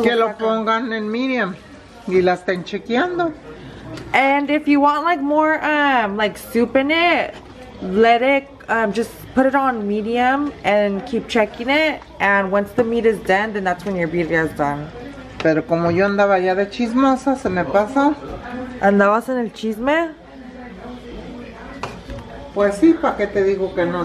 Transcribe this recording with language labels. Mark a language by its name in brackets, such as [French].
[Spanish] que lo pongan en medium y la estén chequeando? [English] And if you want like more like soup in it, let it just put it on medium and keep checking it. And once the meat is done, then that's when your birria is done. [Spanish] Pero como yo andaba ya de chismosa, se me pasa. ¿Andabas en el chisme? Pues sí, ¿para qué te digo que no?